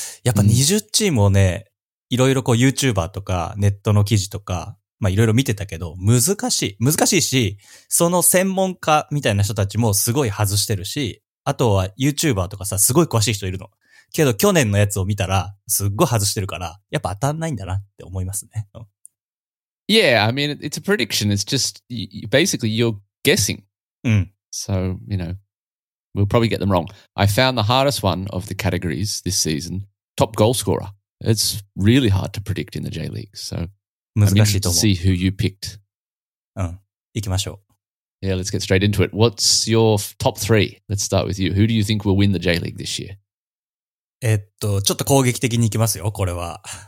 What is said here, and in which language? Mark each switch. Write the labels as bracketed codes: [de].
[ja] やっぱ20チームをね、いろいろこう YouTuber とかネットの記事とか、まあいろいろ見てたけど、難しいし、その専門家みたいな人たちもすごい外してるし、あとは YouTuber とかさ、すごい詳しい人いるの。けど去年のやつを見たら、すっごい外してるから、やっぱ当たんないんだなって思いますね。 [en] Yeah, I mean, it's a prediction. It's just, basically, you're guessing. So, you know, we'll probably get them wrong. I found the hardest one of the categories this season, top goal scorer. It's really hard to predict in the J-League. So, I'm interested to see who you picked. [ja] 行きましょう。 [en] Yeah, let's get straight into it. What's your top three? Let's start with you. Who do you think will win the J-League this year? [ja] ちょっと攻撃的に行きますよ、これは。